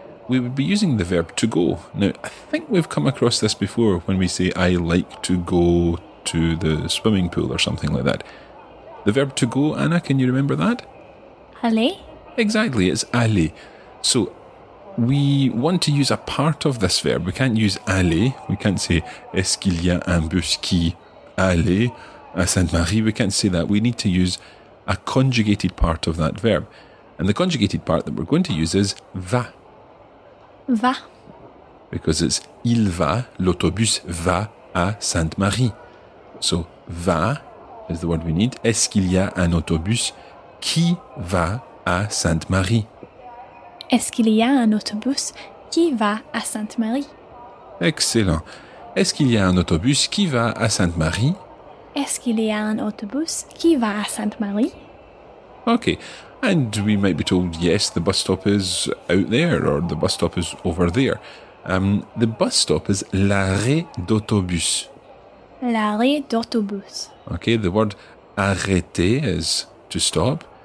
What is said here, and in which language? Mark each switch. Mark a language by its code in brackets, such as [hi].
[en] We would be using the verb to go. Now, I think we've come across this before when we say I like to go to the swimming pool or something like that. The verb to go, Anna, can you remember that? [fr] Allez. [en] Exactly, it's aller. So we want to use a part of this verb. We can't use aller. We can't say, [fr] est-ce qu'il y a un bus qui aller à Sainte-Marie? [en] We can't say that. We need to use a conjugated part of that verb. And the conjugated part that we're going to use is va. [fr] Va. [en] Because it's [fr] il va, l'autobus va à Sainte-Marie. [en] So va is the word we need. [fr] Est-ce qu'il y a un autobus qui va à Sainte-Marie. Est-ce qu'il y a un autobus qui va à Sainte-Marie? [en] Excellent. [fr] Est-ce qu'il y a un autobus qui va à Sainte-Marie? Est-ce qu'il y a un autobus qui va à Sainte-Marie? [en] Okay. And we might be told, yes, the bus stop is out there, or the bus stop is over there. The bus stop is l'arrêt d'autobus. [fr] L'arrêt d'autobus. [en] Okay, the word arrêter is to stop.